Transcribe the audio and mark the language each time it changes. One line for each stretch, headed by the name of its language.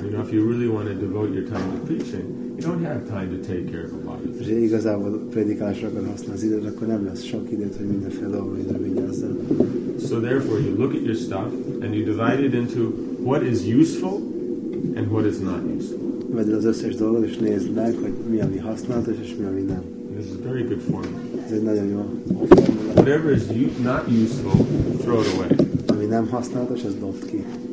English: You know, if you really want to devote your time to preaching, you don't have time to take care of a lot of things.
Hungarian: És igazából prédikálásra akar használni az időd, akkor nem lesz sok időd, hogy minden feladatra vigyázzon.
English: So therefore, you look at your stuff, and you divide it into what is useful, and what is not useful.
Hungarian: Vedd az összes dolgot, és nézd meg, hogy mi ami használatos, és mi ami nem.
English: This is a very good formula.
Hungarian: Ez egy nagyon jó.
English: Whatever is not useful, throw it away.
Hungarian: Ami nem használatos, az dobd ki.